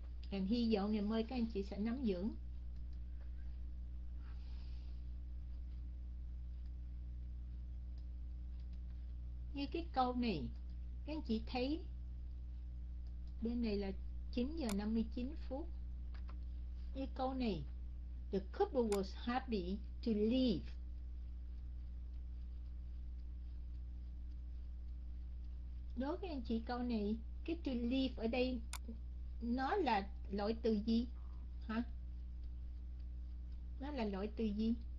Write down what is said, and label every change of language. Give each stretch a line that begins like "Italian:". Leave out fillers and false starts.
Vietnamese: Em hy vọng ngày mai các anh chị sẽ nắm vững. Như cái câu này, các anh chị thấy bên này là 9:59. Như câu này,
English: the couple was happy to leave.
Vietnamese: Đối với anh chị câu này, cái to leave ở đây nó là loại từ gì hả? Nó là loại từ gì?